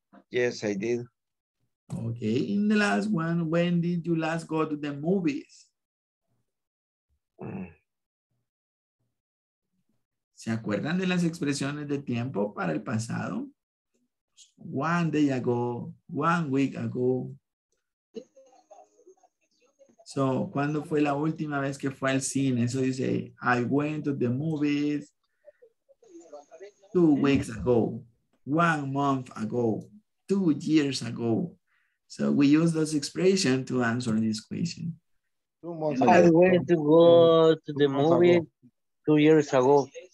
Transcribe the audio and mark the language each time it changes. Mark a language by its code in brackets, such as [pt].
[en] Okay, in the last one, when did you last go to the movies? [es] ¿Se acuerdan de las expresiones de tiempo para el pasado? [en] One day ago, 1 week ago. So, [es] ¿cuándo fue la última vez que fue al cine? [en] So you say, I went to the movies 2 weeks ago, 1 month ago, 2 years ago. So we use those expressions to answer this question. 2 months ago. I went to go to the movies 2 years ago.